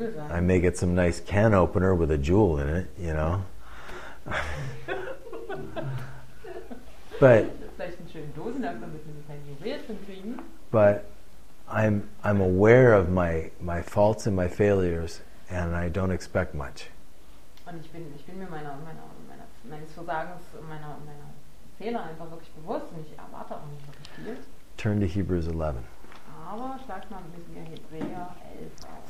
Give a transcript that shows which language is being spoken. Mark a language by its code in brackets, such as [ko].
[en] I may get some nice can opener with a jewel in it, you know. But. [de] Vielleicht einen schönen Dosenöffner mit einem kleinen Juwel zum Kriegen. [en] But I'm aware of my faults and my failures, and I don't expect much. [de] Und ich bin mir meines Versagens und meiner Fehler einfach wirklich bewusst, und ich erwarte auch nicht wirklich viel. [en] Turn to Hebrews 11. [de] Aber schlag mal mit mir Hebräer 11 auf.